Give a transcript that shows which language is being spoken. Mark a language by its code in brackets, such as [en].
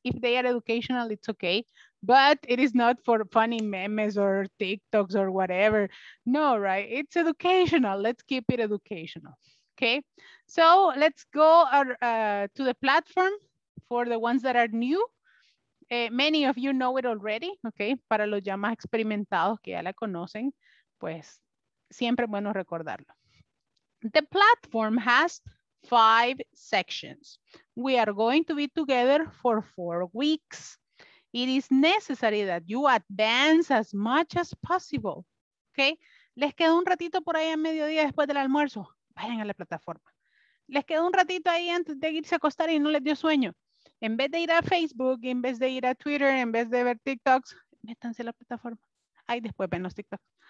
[en] If they are educational, it's okay. But it is not for funny memes or TikToks or whatever. No, right? It's educational. Let's keep it educational. Okay? So let's go to the platform for the ones that are new, many of you know it already, okay? [es] Para los ya más experimentados que ya la conocen, pues siempre es bueno recordarlo. [en] The platform has 5 sections. We are going to be together for 4 weeks. It is necessary that you advance as much as possible. Okay? [es] Les queda un ratito por ahí a mediodía después del almuerzo. Vayan a la plataforma. Les queda un ratito ahí antes de irse a acostar y no les dio sueño. En vez de ir a Facebook, en vez de ir a Twitter, en vez de ver TikToks, métanse a la plataforma. Ahí después ven los TikToks.